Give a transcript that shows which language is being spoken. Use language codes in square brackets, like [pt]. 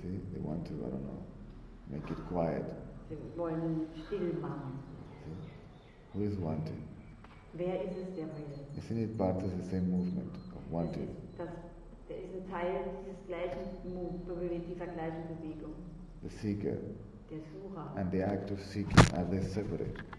[en] See, they want to, I don't know, make it quiet. [de] Sie wollen ihn still machen. [en] See, who is wanting? [de] Wer ist es, der will? [en] Isn't it part of the same movement of wanting? [de] Der ist ein Teil dieses gleichen dieser gleichen Bewegung. [en] The seeker. [de] Der Sucher. [en] And the act of seeking, are they separate?